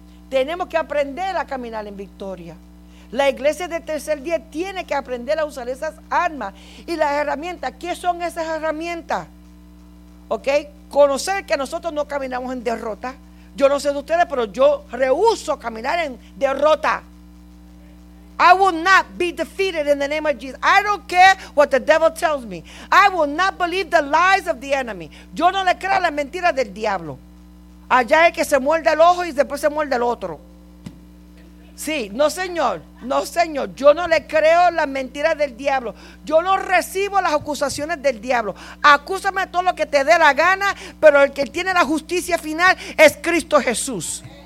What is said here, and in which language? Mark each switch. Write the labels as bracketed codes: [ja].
[es] Tenemos que aprender a caminar en victoria. La iglesia del tercer día tiene que aprender a usar esas armas y las herramientas. ¿Qué son esas herramientas? ¿Ok? Conocer que nosotros no caminamos en derrota. Yo no sé de ustedes, pero yo rehúso caminar en derrota. [en] I will not be defeated in the name of Jesus. I don't care what the devil tells me. I will not believe the lies of the enemy. [es] Yo no le creo a las mentiras del diablo. Allá es que se muerde el ojo y después se muerde el otro. Sí, no señor, no señor, yo no le creo las mentiras del diablo. Yo no recibo las acusaciones del diablo. Acúsame todo lo que te dé la gana, pero el que tiene la justicia final es Cristo Jesús.